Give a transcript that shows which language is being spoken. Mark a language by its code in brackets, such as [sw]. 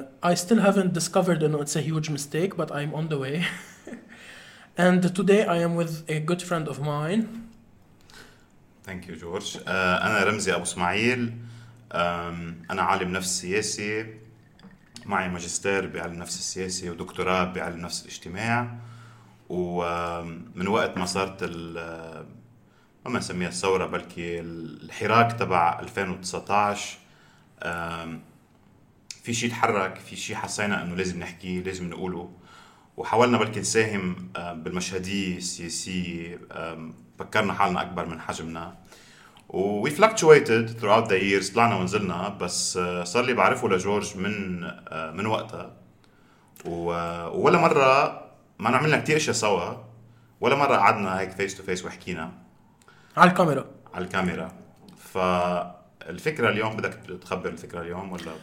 [en] I still haven't discovered, and it's a huge mistake, but I'm on the way. And today, I am with a good friend of mine. Thank you, George. [ar] أنا رمزي أبو إسماعيل. أنا عالم نفس سياسي، معي ماجستير بعلم نفس السياسي ودكتوراه بعلم نفس الاجتماع، ومن وقت ما صارت ما نسميها الثورة بلكي الحراك تبع 2019 في شيء تحرك، في شيء حسينا أنه لازم نحكي، لازم نقوله، وحاولنا بلكي نساهم بالمشهدية السياسية، فكرنا حالنا أكبر من حجمنا. [en] We fluctuated throughout the years. [ar] طلعنا ونزلنا بس صار لي بعرفه لجورج من وقتها ولا مرة ما نعملنا كتير اشياء سوا ولا مرة قعدنا هيك [en] face to face [ar] وحكينا على الكاميرا. فالفكرة اليوم بدك تخبر الفكرة اليوم ولا